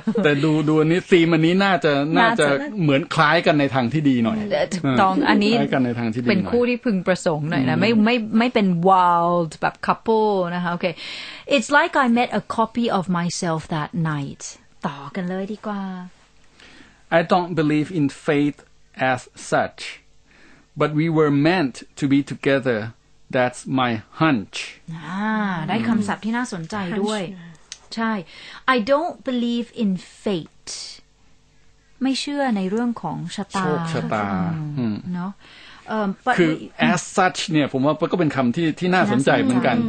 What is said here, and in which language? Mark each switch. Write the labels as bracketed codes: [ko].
[th] นแต่ดูอันนี้ซีมันนี้น่าจะเหมือนคล้ายกันในทางที่ดีหน่อย ต้องอันนี้คล้ายกันในทางที่ดีเป็นคู่ที่พึงประสงค์หน่อยนะไม่เป็น wild แบบ couple นะคะโอเค it's like I met a copy of myself that night ต่อกันเลยดีกว่า [en] I don't believe in fate as such, but we were meant to be together. That's my hunch. [th] ได้คำศัพท์ที่น่าสนใจด้วยใช่ I don't believe in fate. ไม่เชื่อในเรื่องของชะตา โชคชะตา เน า ะ คือ as such เนี่ยผมว่าก็เป็นคำที่น่าสนใจเหมือนกัน